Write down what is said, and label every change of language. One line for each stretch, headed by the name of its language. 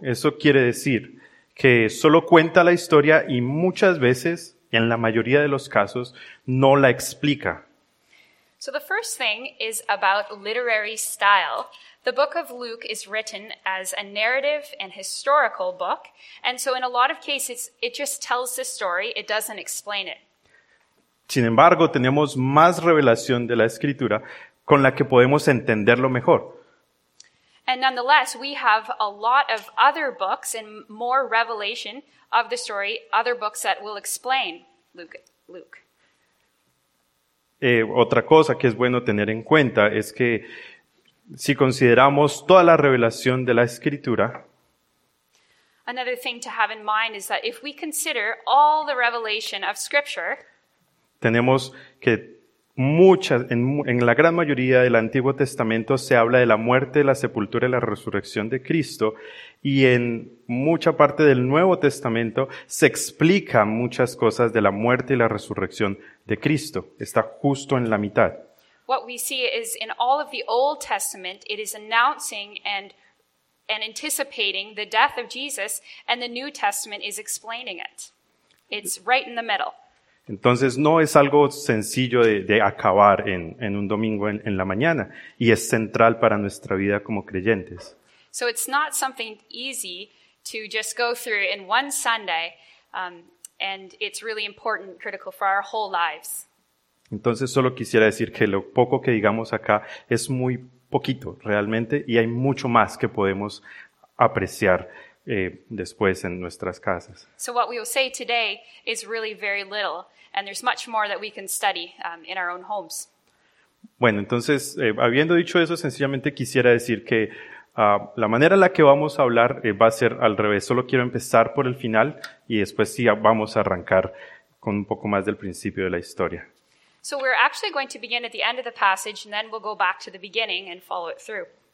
Spanish: Eso quiere decir que solo cuenta la historia y muchas veces, en la mayoría de los casos, no la explica.
English: So the first thing is about literary style. The book of Luke is written as a narrative and historical book, and so in a lot of cases, it just tells the story, it doesn't explain it.
Spanish: Sin embargo, tenemos más revelación de la escritura con la que podemos entenderlo mejor.
English: And nonetheless, we have a lot of other books and more revelation of the story, other books that will explain Luke.
Spanish: Otra cosa que es bueno tener en cuenta es que si consideramos toda la revelación de la Escritura,
English: another thing to have in mind is that if we consider all the revelation of Scripture,
Spanish: tenemos que en la gran mayoría del Antiguo Testamento se habla de la muerte, la sepultura y la resurrección de Cristo, y en mucha parte del Nuevo Testamento se explica muchas cosas de la muerte y la resurrección de Cristo. Está justo en la mitad.
English: What we see is in all of the Old Testament, it is announcing and anticipating the death of Jesus, and the New Testament is explaining it. It's right in the middle.
Spanish: Entonces, no es algo sencillo de acabar en un domingo en la mañana, y es central para nuestra vida como creyentes.
English: So it's not something easy to just go through in one Sunday, and it's really important, critical for our whole lives.
Spanish: Entonces, solo quisiera decir que lo poco que digamos acá es muy poquito, realmente, y hay mucho más que podemos apreciar después en nuestras casas.
English: So what we will say today is really very little, and there's much more that we can study in our own homes.
Spanish: Bueno, entonces, habiendo dicho eso, sencillamente quisiera decir que la manera en la que vamos a hablar va a ser al revés. Solo quiero empezar por el final y después sí vamos a arrancar con un poco más del principio de la historia.
English: So we're actually going to begin at the end of the passage and then we'll go back to the beginning and follow it through.